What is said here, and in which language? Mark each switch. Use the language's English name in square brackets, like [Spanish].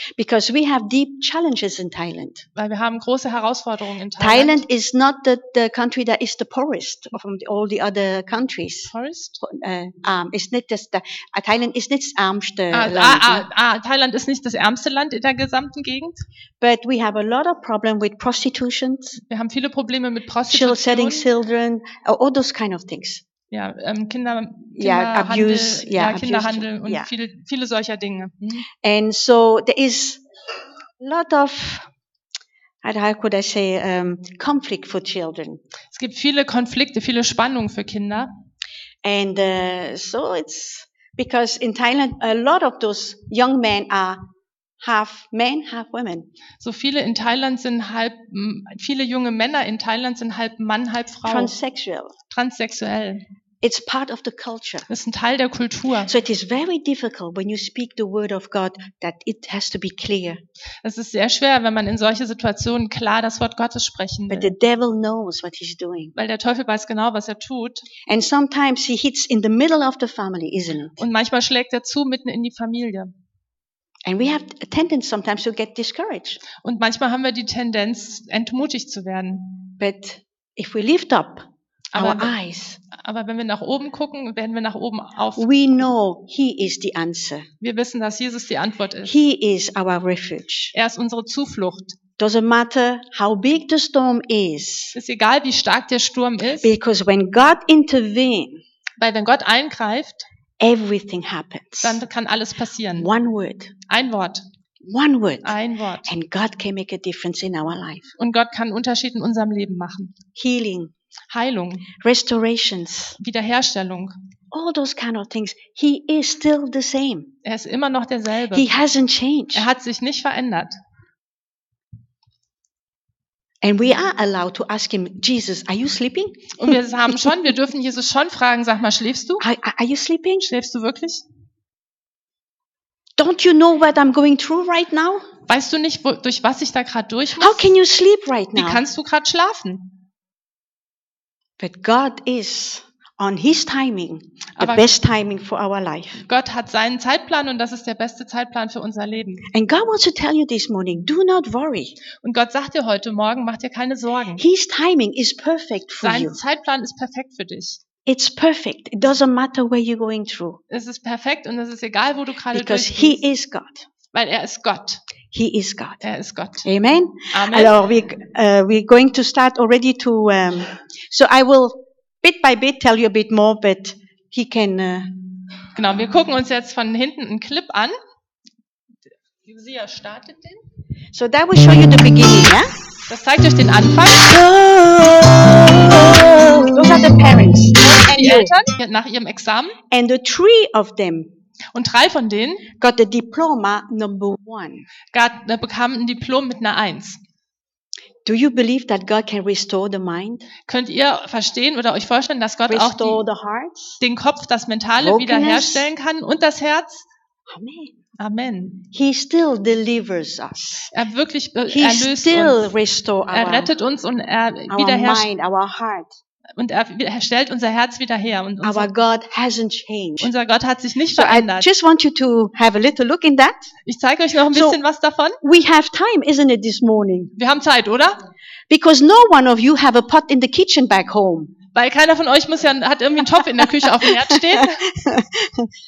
[English] Because we have deep challenges in Thailand. [German] Weil wir haben große Herausforderungen in Thailand. [English] Thailand is not the country that is the poorest of all the other countries. Poorest? [German] Thailand ist nicht das ärmste Land. Thailand ist nicht das ärmste Land in der gesamten Gegend. [English] But we have a lot of problem with prostitution. [German] Wir haben viele Probleme mit Prostitution. [English] Child selling children, all those kind of things. [German] Ja, Kinderhandel und viele solcher Dinge. Mhm. [English] And so there is lot of, how could I say, conflict for children. [German] Es gibt viele Konflikte, viele Spannungen für Kinder. [English] And so it's because in Thailand a lot of those young men are half men, half women. [German] So viele in Thailand sind halb, viele junge Männer in Thailand sind halb Mann, halb Frau. [English] Transsexuell. It's part of the culture. [German] Das ist ein Teil der Kultur. [English] So it is very difficult when you speak the word of God that it has to be clear. [German] Es ist sehr schwer, wenn man in solche Situationen klar das Wort Gottes sprechen will. [English] But the devil knows what he's doing. [German] Weil der Teufel weiß genau, was er tut. [English] And sometimes he hits in the middle of the family, isn't it? [German] Und manchmal schlägt er zu mitten in die Familie. [English] And we have a tendency sometimes to get discouraged. [German] Und manchmal haben wir die Tendenz, entmutigt zu werden. [English] But if we lift up our eyes. [German] Aber wenn wir nach oben gucken, werden wir nach oben auf. [English] We know he is the answer. [German] Wir wissen, dass Jesus die Antwort ist. [English] He is our refuge. [German] Er ist unsere Zuflucht. [English] Doesn't matter how big the storm is. [German] Ist egal, wie stark der Sturm ist. [English] Because when God intervenes, [German] weil wenn Gott eingreift, [English] everything happens. [German] Dann kann alles passieren. [English] One word. [German] Ein Wort. [English] One word. [German] Ein Wort. [English] And God can make a difference in our life. [German] Und Gott kann einen Unterschied in unserem Leben machen. [English] Healing. [German] Heilung, [English] Restorations, [German] Wiederherstellung, [English] All those kind of things. He is still the same. [German] Er ist immer noch derselbe. [English] He hasn't changed. [German] Er hat sich nicht verändert. [English] And we are allowed to ask him, Jesus, are you sleeping? [German] Und wir haben schon, wir dürfen Jesus schon fragen, sag mal, schläfst du? [English] Are you sleeping? [German] Schläfst du wirklich? [English] Don't you know what I'm going through right now? [German] Weißt du nicht, durch was ich da gerade durch muss? [English] How can you sleep right now? [German] Wie kannst du gerade schlafen? [English] But God is on his timing, [German] aber [English] the best timing for our life. [German] Gott hat seinen Zeitplan und das ist der beste Zeitplan für unser Leben. [English] And God wants to tell you this morning, do not worry. [German] Und Gott sagt dir heute Morgen, mach dir keine Sorgen. [English] His timing is perfect for [German] Sein [English] you. [German] Sein Zeitplan ist perfekt für dich. [English] It's perfect. It doesn't matter where you're going through. [German] Es ist perfekt und es ist egal, wo du gerade durchgehst. [English] Because he is God. [German] Weil er ist Gott. [English] He is God. [German] Er ist Gott. Amen. Amen. [English] Alors, we're going to start already to. So I will bit by bit tell you a bit more, but he can. [German] Genau. Wir gucken uns jetzt von hinten einen Clip an. Sie startet den. [English] So that will show you the beginning, yeah? [German] Das zeigt euch den Anfang. [English] Those are the parents. [German] Die Eltern nach ihrem Examen. [English] And the three of them. [German] Und drei von denen. [English] Got the diploma number one. [German] Bekamen ein Diplom mit einer 1. [English] Do you believe that God can restore the mind? [German] Könnt ihr verstehen oder euch vorstellen, dass Gott auch den Kopf, das Mentale wiederherstellen kann und das Herz? Amen. Amen. [English] He still delivers us. [German] Er wirklich [English] he [German] erlöst [English] still [German] uns. [English] Our, [German] er rettet uns und er wiederherstellt [English] our mind, our heart. [German] Und er stellt unser Herz wieder her. Und unser, [English] our God hasn't changed. [German] Unser Gott hat sich nicht [English] so [German] verändert. [English] I just want you to have a little look in that. [German] Ich zeige euch noch ein bisschen [English] so, [German] was davon. [English] We have time, isn't it, this morning? [German] Wir haben Zeit, oder? [English] Because no one of you have a pot in the kitchen back home. [German] Weil keiner von euch hat irgendwie einen Topf in der Küche auf dem Herd stehen.